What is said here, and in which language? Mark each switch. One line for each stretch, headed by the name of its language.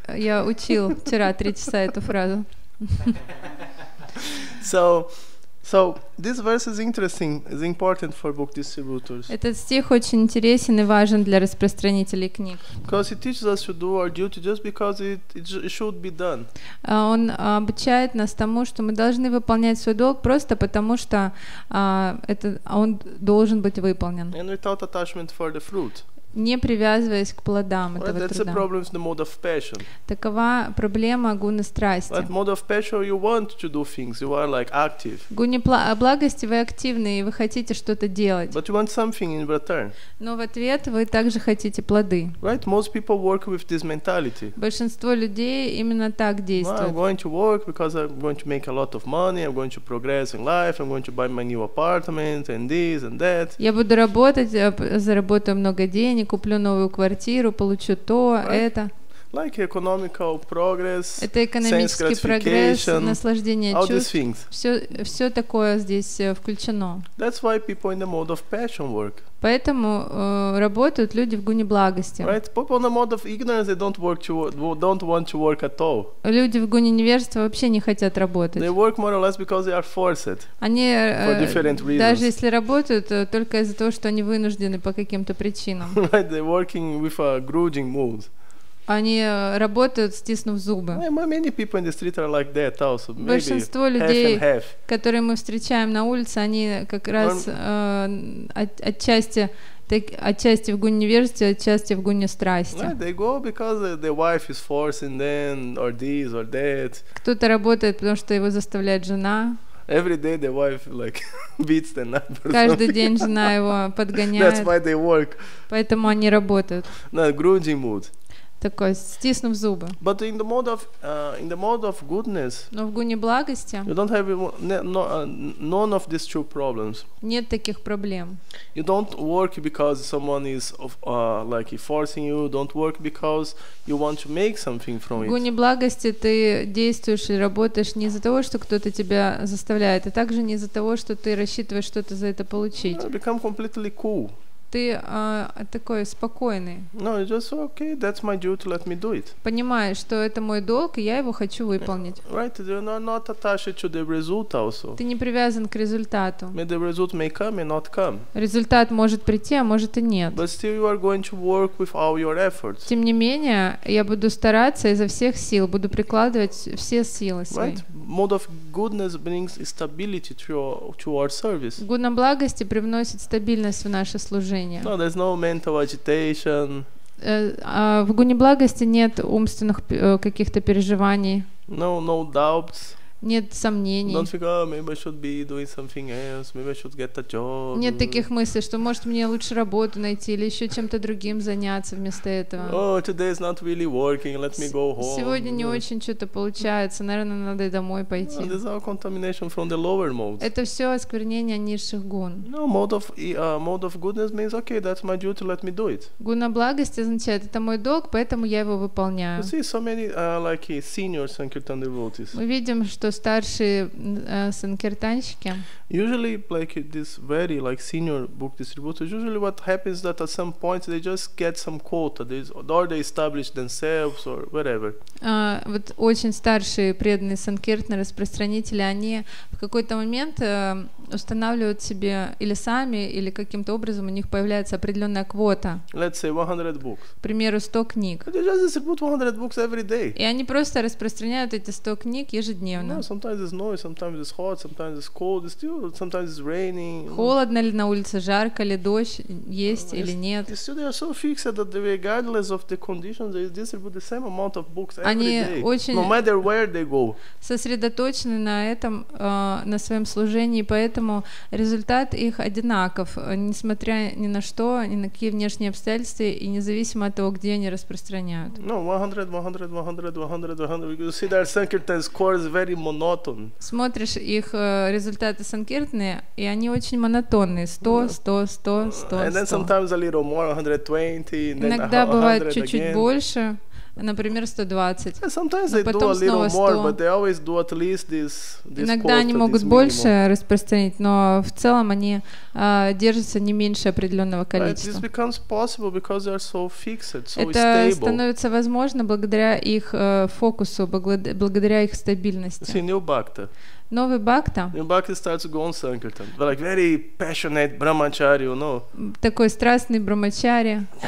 Russian: Я учил вчера 3 часа эту фразу.
English: So this verse is interesting, is important for book distributors.
Russian: Этот стих очень интересен и важен для распространителей книг.
English: Because it teaches us to do our duty just because it should be done.
Russian: Он обучает нас тому, что мы должны выполнять свой долг просто потому, что это он должен быть выполнен.
English: And without attachment for the fruit.
Russian: Не привязываясь к плодам этого труда. Такова проблема гуны страсти.
English: But mode of passion, you want to do things, you are like active.
Russian: Гуне благости вы активны и вы хотите что-то делать.
English: But you want something in return.
Russian: Но в ответ вы также хотите плоды.
English: Right, most people work with this mentality.
Russian: Большинство людей именно так действуют.
English: I'm going to work because I'm going to make a lot of money, I'm going to progress in life, I'm going to buy my new apartment and this and that.
Russian: Я буду работать, заработаю много денег. Я не куплю новую квартиру, получу то, это.
English: Like economical progress,
Russian: это экономический прогресс, наслаждение чувств. Все такое здесь включено.
English: That's why people in the mode of passion work.
Russian: Поэтому работают люди в гуне благости.
English: Right? People in the mode of ignorance, they don't want to work at all.
Russian: Люди в гуне невежества вообще не хотят работать.
English: They work more or less because they are forced.
Russian: Они даже если работают, только из-за того, что они вынуждены по каким-то причинам.
English: Right? They're working with a grudging mood.
Russian: Они работают, стиснув зубы.
English: Many people in the street are like that also. Maybe
Russian: большинство людей, которые мы встречаем на улице, они как раз отчасти в гуне невежества, отчасти в гуне страсти.
English: Right, they go because the wife is forcing them, or this, or that.
Russian: Кто-то работает, потому что его заставляет жена.
English: Every day the wife like beats the neighbors.
Russian: Каждый день жена его подгоняет.
English: That's why they work.
Russian: Поэтому они работают.
English: No, grudging mood.
Russian: Такой, стиснув зубы.
English: But in the mode of goodness.
Russian: Но в гуне благости.
English: You don't have none of these two problems.
Russian: Нет таких проблем.
English: You don't work because someone is of like forcing you. Don't work because you want to make something from it.
Russian: В гуне благости ты действуешь и работаешь не из-за того, что кто-то тебя заставляет, а также не из-за того, что ты рассчитываешь что-то за это получить.
English: You become completely cool.
Russian: Ты такой спокойный.
English: No, it's just okay. That's my duty. Let me do it.
Russian: Понимаешь, что это мой долг, и я его хочу выполнить.
English: Right, you're not attached to the result also.
Russian: Ты не привязан к результату.
English: May the result may come and not come.
Russian: Результат может прийти, а может и нет.
English: But still, you are going to work with all your efforts.
Russian: Тем не менее, я буду стараться изо всех сил, буду прикладывать все силы свои.
English: Right, mode of goodness brings stability to our service.
Russian: Гуна благости привносит стабильность в наше служение.
English: No, there's no mental agitation.
Russian: В гуне благости нет умственных каких-то переживаний.
English: No doubts.
Russian: Нет сомнений.
English: Don't think, oh, maybe I should be doing something else. Maybe I should get a job.
Russian: Нет таких мыслей, что может мне лучше работу найти или еще чем-то другим заняться вместо этого.
English: Oh, today is not really working. Let me go home.
Russian: Сегодня не очень что-то получается. Наверное, надо и домой пойти.
English: This is all contamination from the lower modes.
Russian: Это все осквернение низших гун.
English: No, mode of goodness means okay, that's my duty. Let me do it.
Russian: Гуна благости означает, это мой долг, поэтому я его выполняю.
English: You see, so many like senior sankirtan devotees.
Russian: Мы видим, что
Ukrainian: тобто старші санкіртанщики.
English: Usually like this very like senior book distributors, usually what happens that at some point they just get some quota, or they establish themselves or whatever.
Russian: Вот очень старшие преданные санкиртны распространители, они в какой-то момент устанавливают себе или сами, или каким-то образом у них появляется определенная квота.
English: Let's say 100 books.
Russian: К примеру, 100 книг.
English: They just distribute 100 books every day.
Russian: И они просто распространяют эти 100 книг ежедневно.
English: No, sometimes it's noise, sometimes it's hot, sometimes it's cold, it's still, sometimes it's raining.
Russian: Холодно ли на улице, жарко ли, дождь есть или нет.
English: It's still, they are so fixed that regardless of the conditions, they distribute the same amount of books every
Russian: они
English: day.
Russian: Очень
English: no matter where they go.
Russian: Сосредоточены на этом, на своем служении, поэтому результат их одинаков, несмотря ни на что, ни на какие внешние обстоятельства, и независимо от того, где они распространяют.
English: No, 100, 100, 100, 100, 100, 100. You see their sankirtan score is very monotone.
Russian: Смотришь их результаты санкиртные, и они очень монотонные.
English: 100, 100, 100, 100, 100. And then sometimes a little more, 120.
Russian: Иногда бывает чуть-чуть больше. Например, 120.
English: Yeah, sometimes they do a little more, but they always do at least this
Russian: иногда
English: quota,
Russian: они могут больше распространить, но в целом они держатся не меньше определенного количества.
English: This becomes possible because they are so fixed, so
Russian: это
English: stable.
Russian: Становится возможно благодаря их фокусу, благодаря их стабильности. Новый бхакта.
English: New bhakta starts to go on sankirtan. But like very passionate brahmachari, you know.
Russian: Такой страстный брамачари.